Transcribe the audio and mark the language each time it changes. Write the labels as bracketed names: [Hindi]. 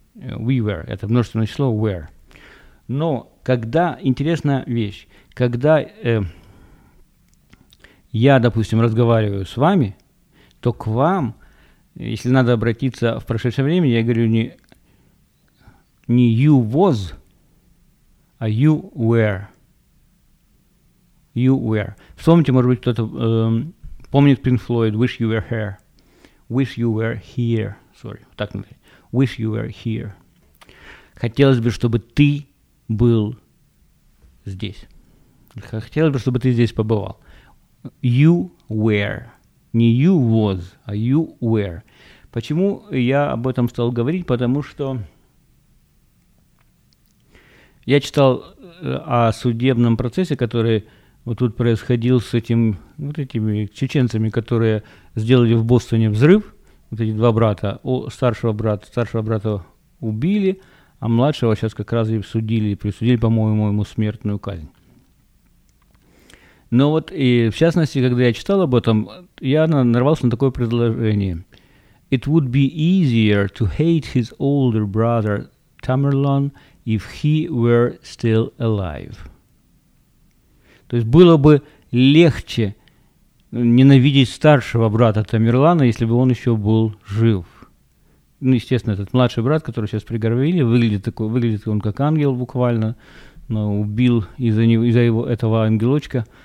[English] We were, [Russian] это множественное число were. Но когда, интересная вещь, когда я, допустим, разговариваю с вами, то к вам, если надо обратиться в прошедшее время, я говорю не [English] you was, [Russian] а [English] you were. You were. [Russian] Вспомните, может быть, кто-то помнит Pink Floyd, [English] wish you were here. Wish you were here. [Russian] Sorry, так называется. [English] Wish you were here. [Russian] Хотелось бы, чтобы ты был здесь. Хотел бы, чтобы ты здесь побывал. [English] You were. [Russian] Не [English] you was, [Russian] а [English] you were. [Russian] Почему я об этом стал говорить? Потому что я читал о судебном процессе, который вот тут происходил с этим, вот этими чеченцами, которые сделали в Бостоне взрыв. Вот эти два брата, старшего брата убили, а младшего сейчас как раз и присудили, по-моему, ему смертную казнь. Но вот и в частности, когда я читал об этом, я нарвался на такое предложение. [English] It would be easier to hate his older brother Tamerlan if he were still alive. [Russian] То есть было бы легче ненавидеть старшего брата Тамерлана, если бы он еще был жив. Ну, естественно, этот младший брат, который сейчас приговорили, выглядит он как ангел буквально, но убил из-за этого ангелочка.